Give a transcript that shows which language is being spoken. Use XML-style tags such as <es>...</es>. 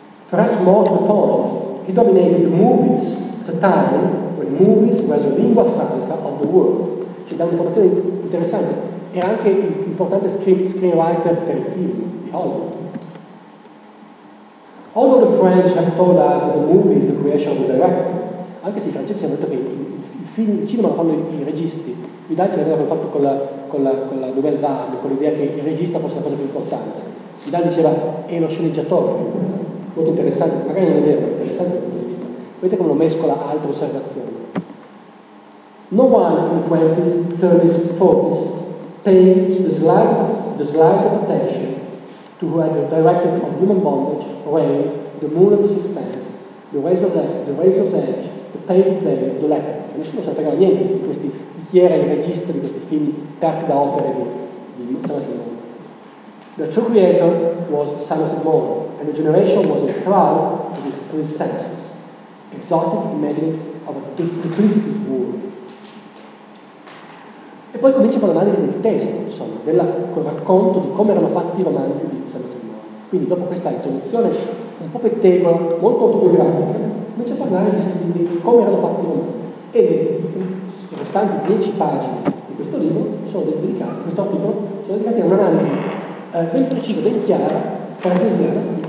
<en>Perhaps more to the point, he dominated the movies at a time when movies were the lingua franca of the world.</en> <it>Cioè, dà un'informazione interessante. Era anche un importante screenwriter per il film di Hollywood.</it> <en>Although the French have told us that the movie is the creation of the director,</en> <it>anche se i francesi hanno detto che il cinema lo fanno i registi, Vidal ce l'aveva fatto con la Nouvelle Vague, con l'idea che il regista fosse la cosa più importante. Vidal diceva, è lo sceneggiatore. Molto interessante, magari non è vero, ma interessante dal punto di vista. Vedete come lo mescola altre osservazioni.</it> <en>No one in the 20s, 30s, 40s paid the slightest attention to who had directed On Human Bondage, Rain, The Moon of Sixpence, The Razor of the Razor's Edge, The Painted Day, The Letter.</en> <it>Cioè, nessuno si fregava niente di questi, di chi era il regista di questi film tratti da opere di Somerset Maugham.</it> <en>The true creator was Somerset Maugham. And the generation was enthralled with his senses, exotic imaginings of a duplicitous world.</en> <it>E poi comincia con l'analisi del testo, insomma, col racconto di come erano fatti i romanzi di Somerset Maugham. Quindi, dopo questa introduzione un po' pettegola, molto autobiografica, comincia a parlare di come erano fatti i romanzi. E le restanti 10 pagine di questo libro sono dedicate, questo articolo, sono dedicate a un'analisi ben precisa, ben chiara, cartesiana.</it>